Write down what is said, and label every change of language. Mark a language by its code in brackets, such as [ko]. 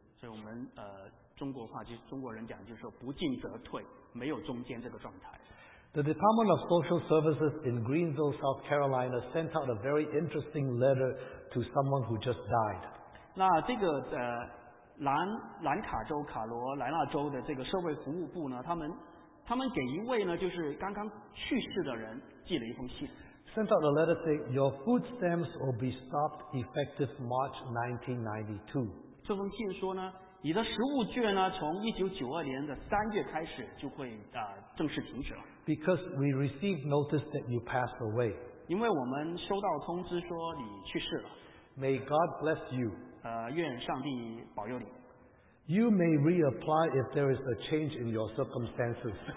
[zh] 所以我们中国人讲就是说不进则退，没有中间这个状态。 [en] The Department of Social Services in Greenville, South Carolina, sent out a very interesting letter to someone who just died. [zh] 那这个兰卡州卡罗来纳州的这个社会服务部呢，他们给一位呢就是刚刚去世的人寄了一封信。 [en] Sent out a letter saying your food stamps will be stopped effective March 1992. [zh] 这封信说呢，你的食物券呢从1992年的3月开始就会正式停止了。 [en] Because we received notice that you passed away. [zh] 因为我们收到通知说你去世了。 [en] May God bless you. [zh] 愿上帝保佑你。 [en] You may reapply if there is a change in your circumstances.